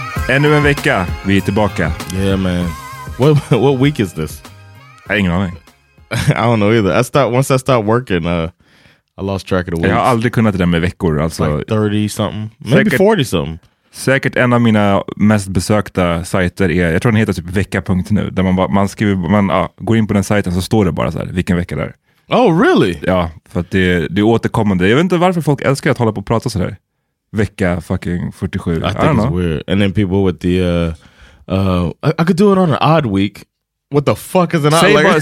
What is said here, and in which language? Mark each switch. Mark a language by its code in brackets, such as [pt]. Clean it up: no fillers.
[sv] Ännu en vecka, vi är tillbaka. [en] Yeah man, what week is this? [sv] Jag har ingen aning. [en] I don't know either, once I start working, I lost track of the weeks. [sv] Jag har aldrig kunnat det där med veckor alltså. [en] Like 30 something, maybe [sv] säkert, [en] 40 something. [sv] Säkert en av mina mest besökta sajter är, jag tror den heter typ vecka.nu. Där man går in på den sajten så står det bara så här, vilken vecka det är. [en] Oh really? [sv] Ja, för att det är återkommande. Jag vet inte varför folk älskar att hålla på och prata så här. Vecka fucking 47. [en] I think I don't know. It's weird. And then people with the I could do it on an odd week. What the fuck is an odd week?